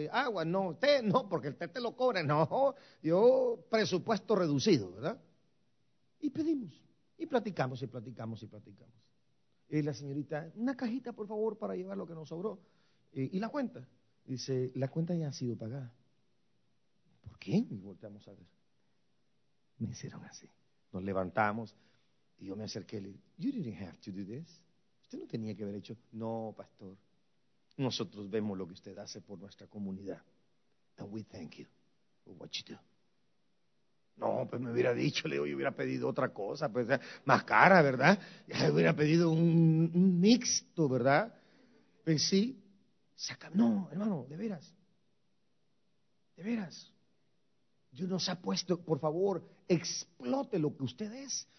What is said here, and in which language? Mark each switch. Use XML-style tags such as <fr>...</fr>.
<es>Agua, no, té, no, porque el té te lo cobra. No, yo presupuesto reducido, ¿verdad? Y pedimos, y platicamos, y platicamos, y platicamos. Y la señorita, una cajita, por favor, para llevar lo que nos sobró. Y la cuenta, dice, la cuenta ya ha sido pagada. ¿Por qué? Y volteamos a ver. Me hicieron así. Nos levantamos y yo me acerqué y le dije,</es> <en>you didn't have to do this.</en> <es>Usted no tenía que haber hecho. No, pastor. Nosotros vemos lo que usted hace por nuestra comunidad.</es> <en>And we thank you for what you do.</en> <es>No, pues me hubiera dicho, le digo, yo hubiera pedido otra cosa, pues más cara, ¿verdad? Yo hubiera pedido un mixto, ¿verdad? Pues sí. No, hermano, de veras. De veras. Dios nos ha puesto, por favor, explote lo que usted es.</es>